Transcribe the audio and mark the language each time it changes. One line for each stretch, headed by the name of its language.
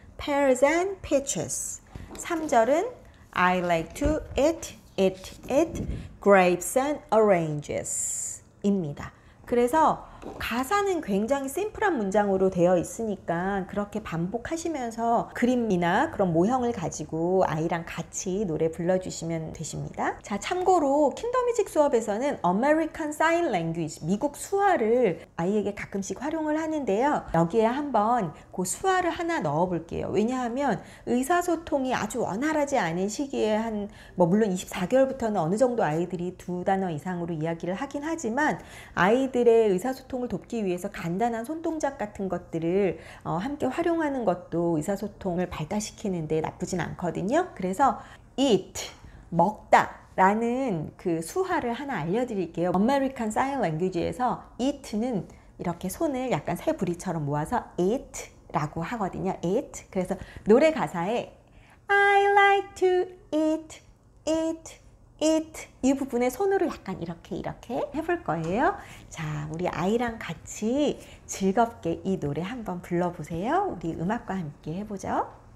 English: Pears and peaches.
Korean: 3절은
English: I like to eat grapes and oranges
Korean: 입니다. 그래서 가사는 굉장히 심플한 문장으로 되어 있으니까 그렇게 반복하시면서 그림이나 그런 모형을 가지고 아이랑 같이 노래 불러주시면 되십니다. 자, 참고로 킨더뮤직 수업에서는 American Sign Language, 미국 수화를 아이에게 가끔씩 활용을 하는데요. 여기에 한번 그 수화를 하나 넣어볼게요. 왜냐하면 의사소통이 아주 원활하지 않은 시기에 한, 뭐, 물론 24개월부터는 어느 정도 아이들이 두 단어 이상으로 이야기를 하긴 하지만 아이들의 의사소통 소통을 돕기 위해서 간단한 손동작 같은 것들을 함께 활용하는 것도 의사소통을 발달시키는데 나쁘진 않거든요. 그래서 eat, 먹다라는 그 수화를 하나 알려드릴게요. American Sign Language에서 eat는 이렇게 손을 약간 새부리처럼 모아서 eat라고 하거든요. eat. 그래서 노래 가사에
English: I like to eat.
Korean: It 이 부분에 손으로 약간 이렇게 해볼 거예요. 자, 우리 아이랑 같이 즐겁게 이 노래 한번 불러보세요. 우리 음악과 함께 해보죠.